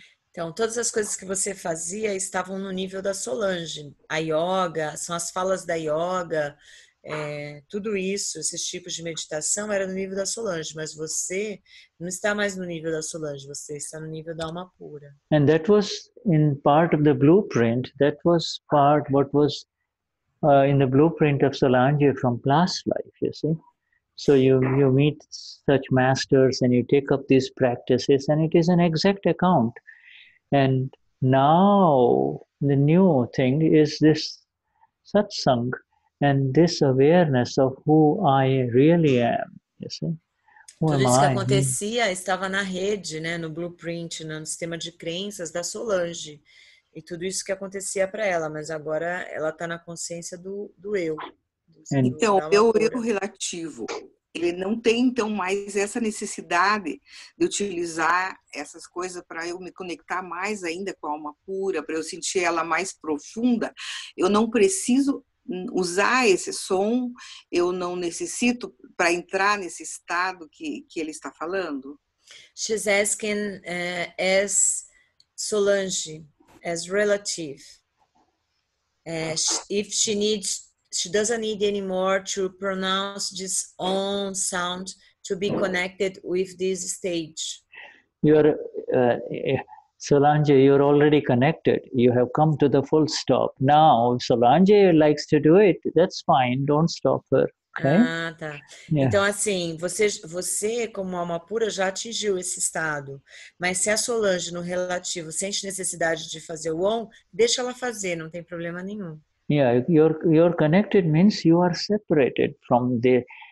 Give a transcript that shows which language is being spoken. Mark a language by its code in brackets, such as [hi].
[pt] Então, todas as coisas que você fazia estavam no nível da Solange. A yoga, são as falas da yoga, tudo isso, esses tipos de meditação era no nível da Solange, mas você não está mais no nível da Solange, você está no nível da alma pura. [en] And that was in part of the blueprint, that was part what was in the blueprint of Solange from past life, you see. So you meet such masters and you take up these practices, and it is an exact account. And now the new thing is this satsang and this awareness of who I really am, you see. [pt] Tudo isso que acontecia estava na rede, né, no blueprint, no sistema de crenças da Solange. E tudo isso que acontecia para ela, mas agora ela está na consciência do eu. Então, meu eu relativo, ele não tem então mais essa necessidade de utilizar essas coisas para eu me conectar mais ainda com a alma pura, para eu sentir ela mais profunda. Eu não preciso usar esse som, eu não necessito para entrar nesse estado que ele está falando. [en] She's asking as Solange, as relative, if she needs, she doesn't need anymore to pronounce this own sound to be connected with this stage. You are Solange, you're already connected. You have come to the full stop. Now, if Solange likes to do it, that's fine. Don't stop her. Okay? [pt] Ah, tá. Yeah. Então, assim, você como alma pura já atingiu esse estado. Mas se a Solange, no relativo, sente necessidade de fazer o on, deixa ela fazer, não tem problema nenhum. [en] Yeah, you're connected means you are separated from the...